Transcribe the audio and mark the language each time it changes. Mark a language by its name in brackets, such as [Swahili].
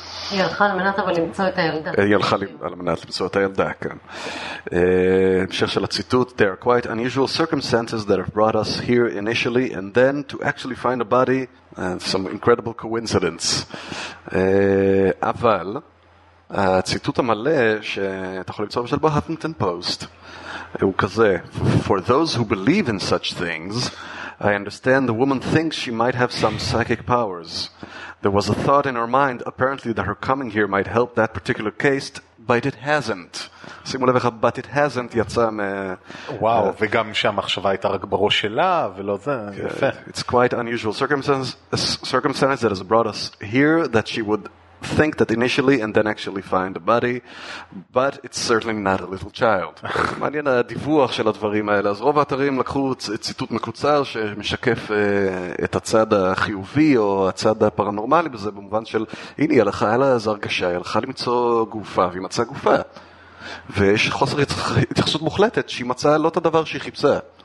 [Hebrew] היא הלכה על מנת למצוא את הילדה. היא הלכה על מנת למצוא את הילדה, כן. [English] המשך של הציטוט, "There are quite unusual circumstances that have brought us here initially, and then to actually find a body, and some incredible coincidence." אבל הציטוט המלא שאתה יכול למצוא בשביל בהפינגטון פוסט הוא כזה, "For those who believe in such things, I understand the woman thinks she might have some psychic powers. There was a thought in her mind apparently that her coming here might help that particular case, but it hasn't." [Hebrew] שימו לב איך "but it hasn't" יצא מ... וואו, וגם שהמחשבה הייתה רק בראש שלה, ולא זה, יפה. [English] "It's quite unusual circumstance that has brought us here that she would think that initially and then actually find a body, but it's certainly not a little child." [Hebrew] מעניין הדיווח של הדברים האלה. אז רוב האתרים לקחו ציטוט מקוצר שמשקף את הצד החיובי או הצד הפרנורמלי בזה, במובן של, הנה, היא הלכה אלה, זו הרגשה, היא הלכה למצוא גופה, והיא מצאה גופה. ויש חוסר התייחסות מוחלטת שהיא מצאה לא את הדבר שהיא חיפשה.